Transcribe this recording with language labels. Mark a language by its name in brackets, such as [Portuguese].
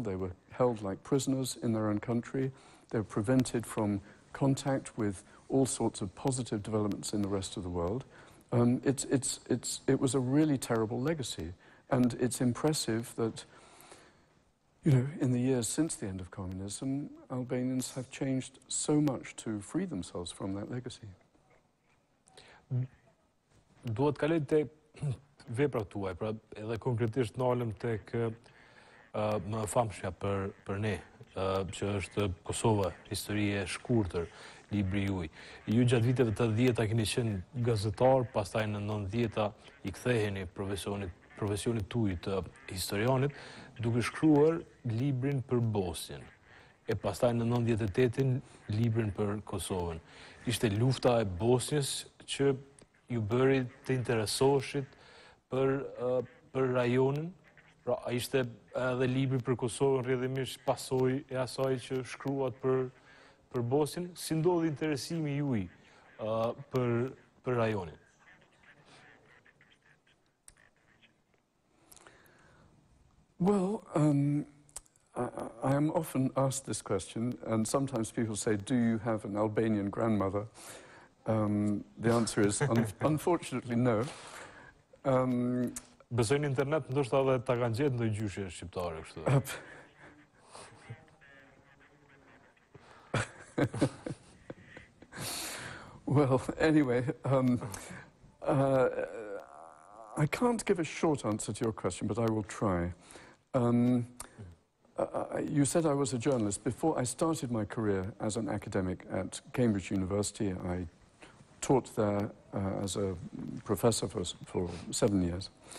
[English] They were held like prisoners in their own country. They were prevented from contact with all sorts of positive developments in the rest of the world. It was a really terrible legacy. And it's impressive that, you know, in the years since the end of communism, Albanians have changed so much to free themselves from that legacy. [Albanian] Duhet kaloj te veprat tuaja, pra edhe konkretisht nalëm tek më famshja për ne, që është Kosova, historie e shkurtër, libri juaj. Ju gjatë viteve të 80-ta keni qenë gazetar, pastaj në 90-ta i ktheheni profesionit tuaj të historianit, duke shkruar librin për Bosnjën, e pastaj në 98-tin librin për Kosovën. Ishte lufta e Bosnjës që ju bëri të interesoheshit për rajonin, pra a ishte edhe libri për Kosovën rrjedhimisht pasoj e asaj që shkruat për Bosnjën, si ndodhi interesimi juaj për rajonin? [English] Well, I am often asked this question, and sometimes people say, do you have an Albanian grandmother? The answer is, unfortunately, no. [Albanian] Besoj në internet, ndoshta edhe ta kanë gjetë ndonjë gjyshe shqiptare, kështu. [English] Well, anyway, I can't give a short answer to your question, but I will try. You said I was a journalist. Before I started my career as an academic at Cambridge University, I taught there as a professor for 7 years.